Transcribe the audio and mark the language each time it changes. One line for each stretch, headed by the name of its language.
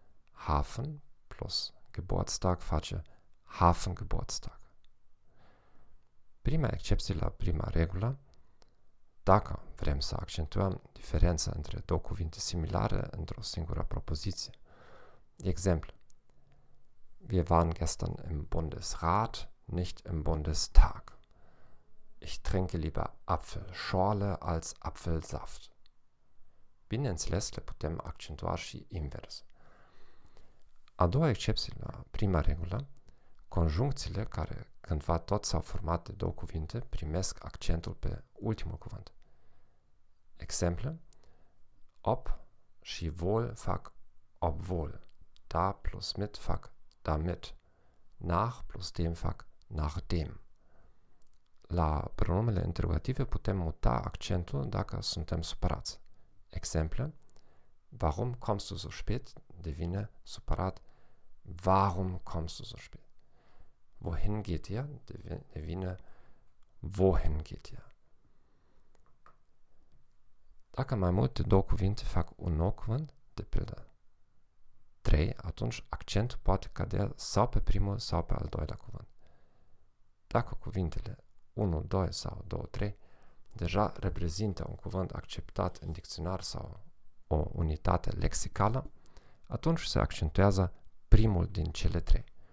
German: Hafen plus Geburtstag face Hafengeburtstag.
Romanian: Prima excepție la prima regulă, dacă vrem să accentuăm diferența între două cuvinte similare într-o singură propoziție. De exemplu,
German: Wir waren gestern im Bundesrat, nicht im Bundestag. Ich trinke lieber Apfelschorle als Apfelsaft.
Romanian: Bineînțeles, le putem accentua și invers. A doua excepție la prima regulă, conjuncțiile care cândva tot s-au format de două cuvinte primesc accentul pe ultimul cuvânt. Exemple, ob și wohl fac obwohl, da plus mit fac damit, nach plus dem fac nachdem. La pronumele interrogative putem muta accentul dacă suntem supărați. Exemple,
German: warum kommst du so spät,
Romanian: devine supărat,
German: warum kommst du so spät? Wohin geht ihr, devine, wohin geht ihr?
Romanian: Dacă mai multe două cuvinte fac un nou cuvânt, de pildă 3, atunci accentul poate cădea sau pe primul sau pe al doilea cuvânt. Dacă cuvintele 1, 2 sau 2, 3 deja reprezintă un cuvânt acceptat în dicționar sau o unitate lexicală, atunci se accentuează primul din cele trei.